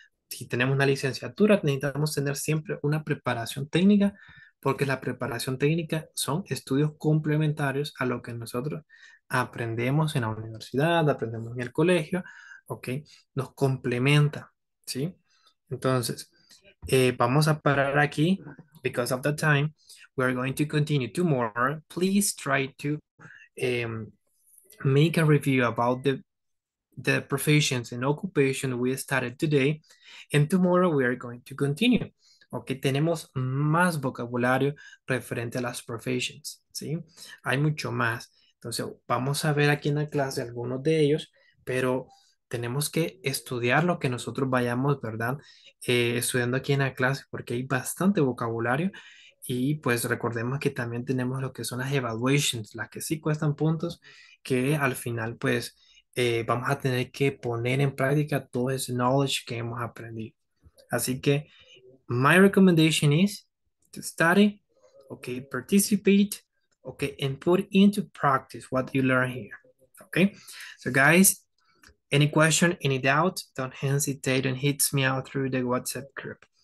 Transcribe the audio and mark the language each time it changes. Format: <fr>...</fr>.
<es>Si tenemos una licenciatura, necesitamos tener siempre una preparación técnica porque la preparación técnica son estudios complementarios a lo que nosotros aprendemos en la universidad, aprendemos en el colegio, ¿ok? Nos complementa. ¿Sí? Entonces, vamos a parar aquí.</es> <en>Because of the time, we are going to continue tomorrow. Please try to make a review about the professions and occupation we started today. And tomorrow we are going to continue.</en> <es>Ok, tenemos más vocabulario referente a las professions, ¿sí? Hay mucho más. Entonces, vamos a ver aquí en la clase algunos de ellos, pero tenemos que estudiar lo que nosotros vayamos, ¿verdad? Estudiando aquí en la clase, porque hay bastante vocabulario. Y pues recordemos que también tenemos lo que son las</es> <en>evaluations,</en> <es>las que sí cuestan puntos, que al final, pues, vamos a tener que poner en práctica todo ese</es> <en>knowledge</en> <es>que hemos aprendido. Así que,</es> <en>my recommendation is to study, okay, participate, okay, and put into practice what you learn here. Okay, so guys, any question, any doubt, don't hesitate and hit me out through the WhatsApp group.</en>